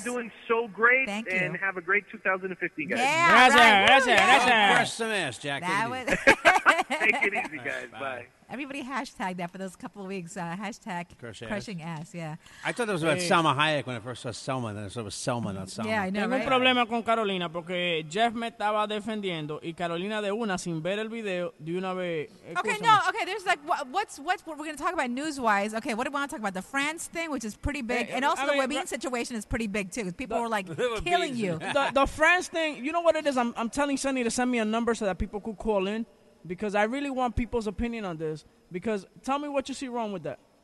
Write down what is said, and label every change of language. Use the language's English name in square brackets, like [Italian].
[English] Are doing so great. Thank you. And have a great 2015, guys. Yeah, that's right. Crush some ass, Jack. Take it easy, guys. Bye. Everybody hashtag that for those couple of weeks. Hashtag crushing ass, yeah. I thought it was about Salma Hayek when I first saw Selma. Then it was Selma, not Selma. Yeah, I know, [Spanish] tengo [English] right? [Spanish] un problema con Carolina porque Jeff me estaba defendiendo y Carolina de una, sin ver el video, de una vez... [English] Okay, no, okay, there's like, what's what we're going to talk about news-wise? Okay, what do we want to talk about? The France thing, which is pretty big. Hey, and also the Webin situation is pretty big, too. People were like killing you. The France thing, you know what it is? I'm telling Sunny to send me a number so that people could call in. Because I really want people's opinion on this. Because tell me what you see wrong with that.